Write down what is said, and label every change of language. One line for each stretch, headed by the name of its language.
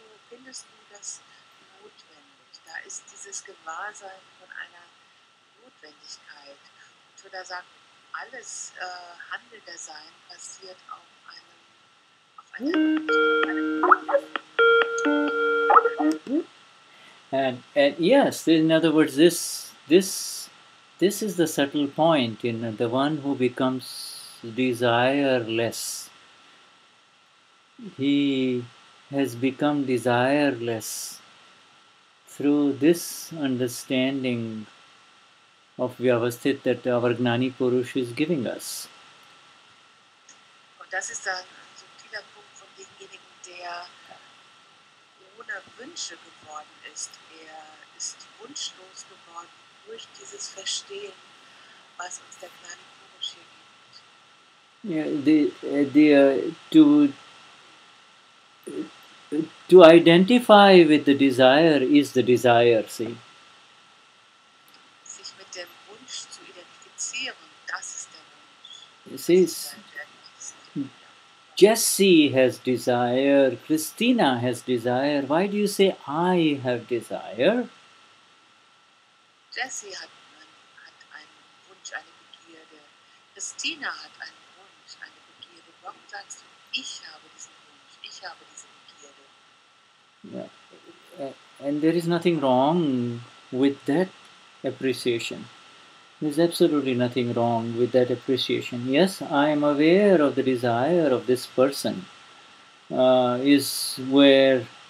German: Findest du das notwendig? Da ist dieses Gewahrsein von einer Notwendigkeit. Und Buddha sagt, alles handelnde Sein basiert auf einem.
English: In other words, this is the subtle point in the one who becomes desireless. He has become desireless through this understanding of Vyavasthit that our Gnani Purush is giving us.
German: Und das ist ein subtiler Punkt von demjenigen, der ohne Wünsche geworden ist. Er ist wunschlos geworden durch dieses Verstehen, was uns der Gnani Purush hier gibt.
English: To identify with the desire is the desire, see.
German: Sich mit dem Wunsch zu identifizieren, das ist der Wunsch.
English: See, Jesse has desire, Christina has desire. Why do you say, I have desire?
German: Jesse hat einen Wunsch, eine Begierde. Christina hat einen Wunsch, eine Begierde. Warum sagst du, ich habe diesen Wunsch, ich habe diesen Wunsch?
English: Yeah, and there is nothing wrong with that appreciation. There's absolutely nothing wrong with that appreciation. Yes, I am aware of the desire of this person, is where